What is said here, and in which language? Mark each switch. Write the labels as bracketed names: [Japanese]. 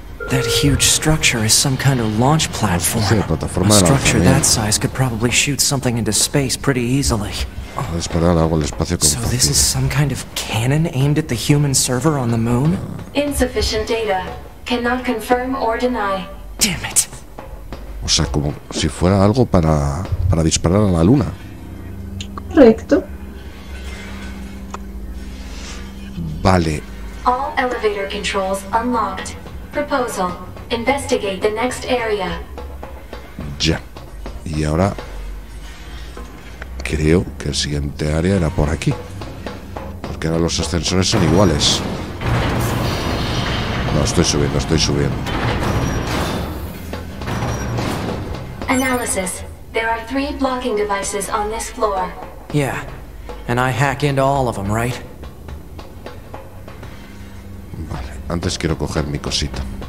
[English] That huge structure is some kind of launch platform. [Spanish] Sí, plataforma de [English] la structure that size could probably shoot something into space pretty easily. So this is some kind of cannon aimed at the human server on the moon? Insufficient data. Cannot confirm or deny. Damn it. [Spanish] O sea, como si fuera algo para disparar a la luna. Correcto. Vale. [English] All elevator controls unlocked. Proposal. Investigate the next area. [Spanish] Ya. Y ahora creo que el siguiente área era por aquí, porque ahora los ascensores son iguales. No, estoy subiendo, estoy subiendo. [English] Analysis. There are three blocking devices on this floor. Yeah. And I hack into all of them, right? [Spanish] Vale. Antes quiero coger mi cosita.